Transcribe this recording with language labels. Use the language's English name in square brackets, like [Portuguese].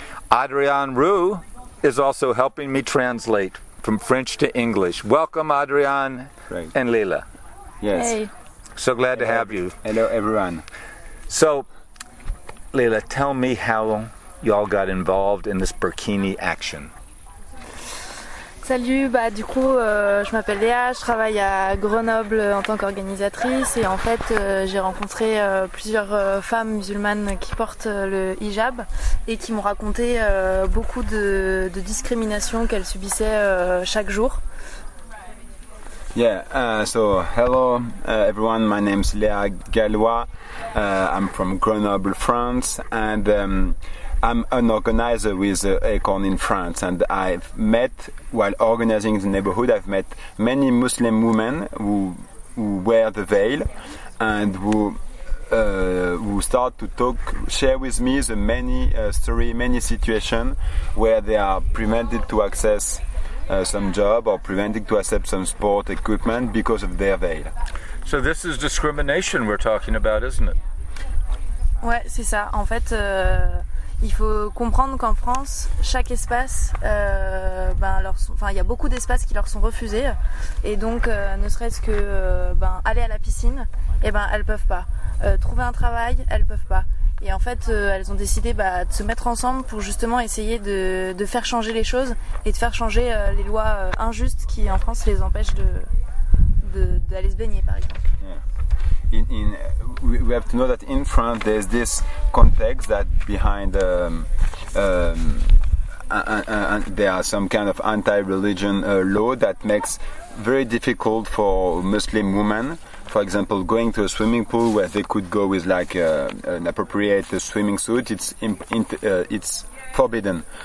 [English] Adrienne Roux is also helping me translate from French to English. Welcome, Adrienne and Lila. Yes. Hey. So glad to have you. Hello, everyone. So, Lila, tell me how y'all got involved in this burkini action. [French] Salut, je m'appelle Léa, je travaille à Grenoble en tant qu'organisatrice et en fait j'ai rencontré plusieurs femmes musulmanes qui portent le hijab et qui m'ont raconté beaucoup de discrimination qu'elles subissaient chaque jour. [English] Hello everyone, my name is Léa Galois, I'm from Grenoble, France, and I'm an organizer with Acorn in France, and I've met, while organizing the neighborhood, I've met many Muslim women who wear the veil, and who start to share with me the many stories, many situations where they are prevented to access some job or preventing to accept some sport equipment because of their veil. So this is discrimination we're talking about, isn't it? [French] Ouais, c'est ça. En fait, il faut comprendre qu'en France, chaque espace, il y a beaucoup d'espaces qui leur sont refusés, et donc ne serait-ce que aller à la piscine, elles peuvent pas. Trouver un travail, elles peuvent pas. Et en fait, elles ont décidé de se mettre ensemble pour justement essayer de faire changer les choses et de faire changer les lois injustes qui, en France, les empêchent d'aller se baigner, par exemple. [English] Yeah. We have to know that in France, there's this context that behind there are some kind of anti-religion law that makes very difficult for Muslim women. For example, going to a swimming pool where they could go with an appropriate swimming suit, it's forbidden.